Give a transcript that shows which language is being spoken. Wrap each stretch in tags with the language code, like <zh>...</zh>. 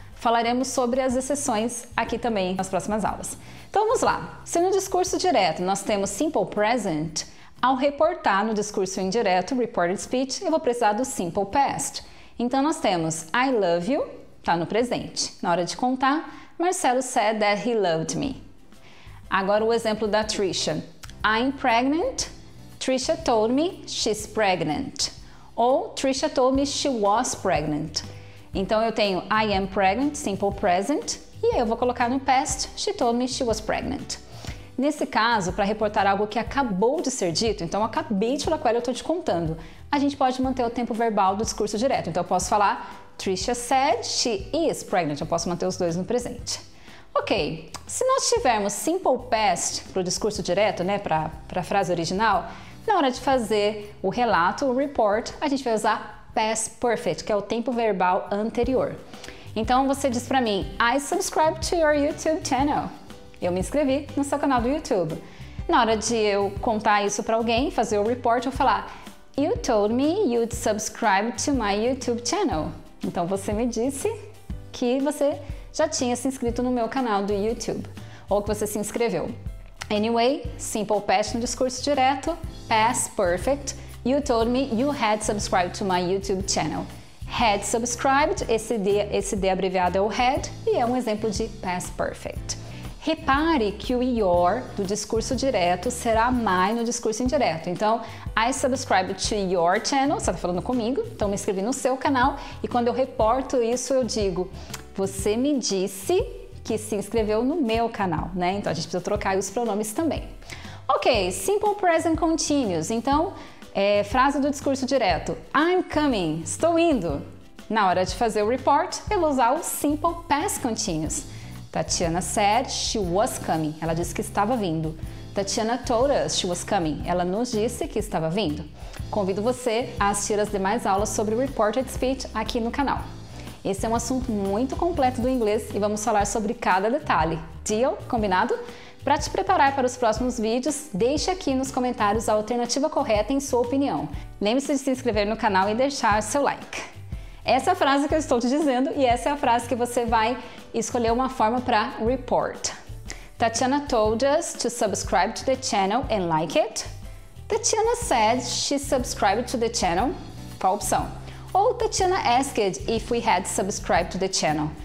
<pt>Falaremos sobre as exceções aqui também nas próximas aulas. Então vamos lá. Se no discurso direto nós temos simple present, ao reportar no discurso indireto, reported speech, eu vou precisar do simple past. Então nós temos</pt> <en>I love you,</en> <pt>tá no presente. Na hora de contar,</pt> <en>Marcelo said that he loved me.</en> <pt>Agora o exemplo da Trisha.</pt> <en>I'm pregnant. Trisha told me she's pregnant. Ou Trisha told me she was pregnant.</en> <pt>Então eu tenho</pt> <en>I am pregnant,</en> <pt>simple present. E aí eu vou colocar no past,</pt> <en>she told me she was pregnant.</en> <pt>Nesse caso, para reportar algo que acabou de ser dito, então acabei de falar com ela, eu estou te contando, a gente pode manter o tempo verbal do discurso direto. Então eu posso falar,</pt> <en>Trisha said she is pregnant.</en> <pt>Eu posso manter os dois no presente. Ok, se nós tivermos simple past para o discurso direto, né, para a frase original, na hora de fazer o relato, o report, a gente vai usar past perfect, que é o tempo verbal anterior. Então você diz pra mim,</pt> <en>I subscribe to your YouTube channel.</en> <pt>Eu me inscrevi no seu canal do YouTube. Na hora de eu contar isso pra alguém, fazer o report, eu falar,</pt> <en>you told me you'd subscribe to my YouTube channel.</en> <pt>Então você me disse que você já tinha se inscrito no meu canal do YouTube, ou que você se inscreveu.</pt> <en>Anyway, simple past</en> <pt>no discurso direto,</pt> <en>past perfect, you told me you had subscribed to my YouTube channel.</en> <pt>Had subscribed, esse D abreviado é o had, e é um exemplo de past perfect. Repare que o your do discurso direto será my no discurso indireto. Então,</pt> <en>I subscribe to your channel,</en> <pt>você está falando comigo, então me inscrevi no seu canal, e quando eu reporto isso, eu digo, você me disse que se inscreveu no meu canal, né? Então, a gente precisa trocar os pronomes também.</pt> <en>Ok, simple present continuous.</en> <pt>Então, frase do discurso direto,</pt> <en>I'm coming,</en> <pt>estou indo. Na hora de fazer o report, eu vou usar o simple past continuous.</pt> <en>Tatiana said she was coming,</en> <pt>ela disse que estava vindo.</pt> <en>Tatiana told us she was coming,</en> <pt>ela nos disse que estava vindo. Convido você a assistir as demais aulas sobre reported speech aqui no canal. Esse é um assunto muito completo do inglês e vamos falar sobre cada detalhe.</pt> <en>Deal?</en> <pt>Combinado? Para te preparar para os próximos vídeos, deixe aqui nos comentários a alternativa correta em sua opinião. Lembre-se de se inscrever no canal e deixar seu like. Essa é a frase que eu estou te dizendo e essa é a frase que você vai escolher uma forma para report.</pt> <en>Tatiana told us to subscribe to the channel and like it. Tatiana said she subscribed to the channel.</en> <pt>Qual a opção?</pt> <en>Ou Tatiana asked if we had subscribed to the channel.</en>